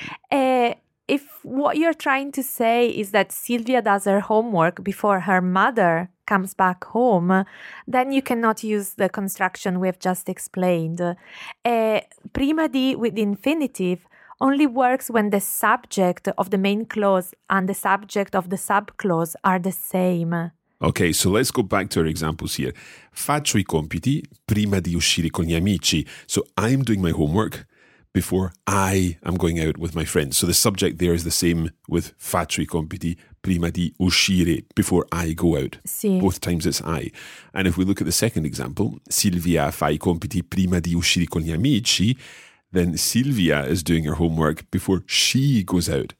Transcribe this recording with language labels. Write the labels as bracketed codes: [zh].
[en] If what you're trying to say is that Silvia does her homework before her mother comes back home, then you cannot use the construction we've just explained. Prima di with infinitive only works when the subject of the main clause and the subject of the subclause are the same. Okay, so let's go back to our examples here. [it] Faccio I compiti prima di uscire con gli amici. [en] So I'm doing my homework before I am going out with my friends. So the subject there is the same with [it] faccio I compiti prima di uscire, [en] before I go out. [it] Sì. [en] Both times it's I. And if we look at the second example, [it] Silvia fa I compiti prima di uscire con gli amici, [en] then Silvia is doing her homework before she goes out.